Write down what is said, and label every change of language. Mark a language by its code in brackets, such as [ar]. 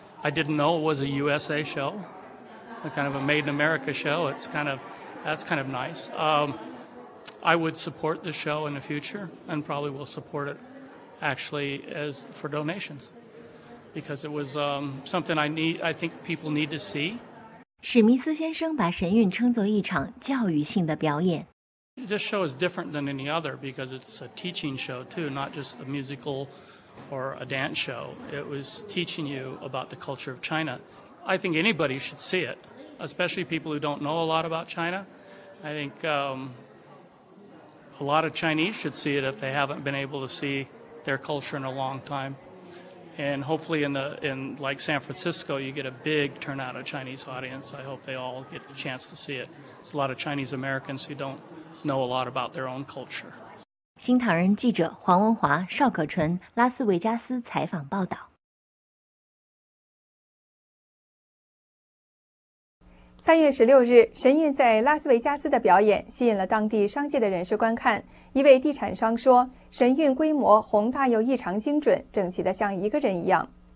[en] I didn't know it was a USA show, a kind of a Made in America show. That's kind of nice. I would support the show in the future and probably will support it actually for donations. because it was something I think people need to see. [zh] 史密斯先生把神韵称作一场教育性的表演。 [en] This show is different than any other because it's a teaching show too, not just a musical or a dance show. It was teaching you about the culture of China. I think anybody should see it, especially people who don't know a lot about China. I think a lot of Chinese should see it if they haven't been able to see their culture in a long time. And hopefully in like San Francisco, you get a big turnout of Chinese audience. I hope they all get the chance to see it. There's a lot of Chinese Americans who don't know a lot about their own culture. [zh] 新唐人记者黄文华、邵可纯，拉斯维加斯采访报道。 3月16日，神韵在拉斯维加斯的表演吸引了当地商界的人士观看。一位地产商说，神韵规模宏大又异常精准，整齐的像一个人一样。